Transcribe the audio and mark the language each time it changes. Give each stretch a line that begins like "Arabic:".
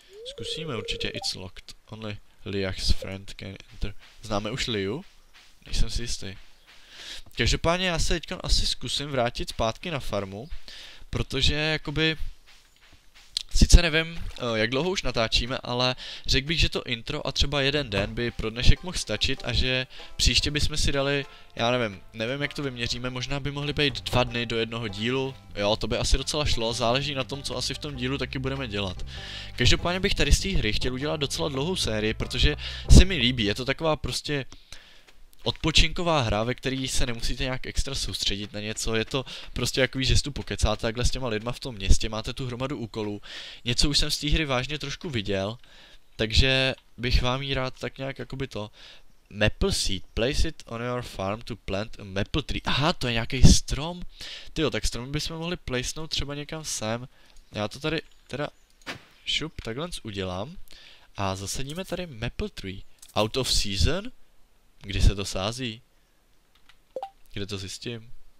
Czech: Zkusíme určitě,
English: it's locked. Only Liach's friend can enter.
Czech: Známe už Liu? Nejsem si jistý. Každopádně já se teďka asi zkusím vrátit zpátky na farmu, protože jakoby... Sice nevím, jak dlouho už natáčíme, ale řekl bych, že to intro a třeba jeden den by pro dnešek mohl stačit a že příště bychom si dali, já nevím, jak to vyměříme, možná by mohly být dva dny do jednoho dílu. Jo, to by asi docela šlo, záleží na tom, co asi v tom dílu taky budeme dělat. Každopádně bych tady z té hry chtěl udělat docela dlouhou sérii, protože se mi líbí, je to taková prostě odpočinková hra, ve který se nemusíte nějak extra soustředit na něco, je to prostě jakový, že si tu pokecáte takhle s těma lidma v tom městě, máte tu hromadu úkolů. Něco už jsem z té hry vážně trošku viděl, takže bych vám jí rád tak nějak jakoby to.
English: Maple seed, place it on your farm to plant a maple tree.
Czech: To je nějaký strom. Tyjo, tak stromy bychom mohli placenout třeba někam sem. Já to tady teda šup takhle udělám a zasadíme tady maple tree.
English: Out of season?
Czech: Kdy se to sází? Kde to zjistím?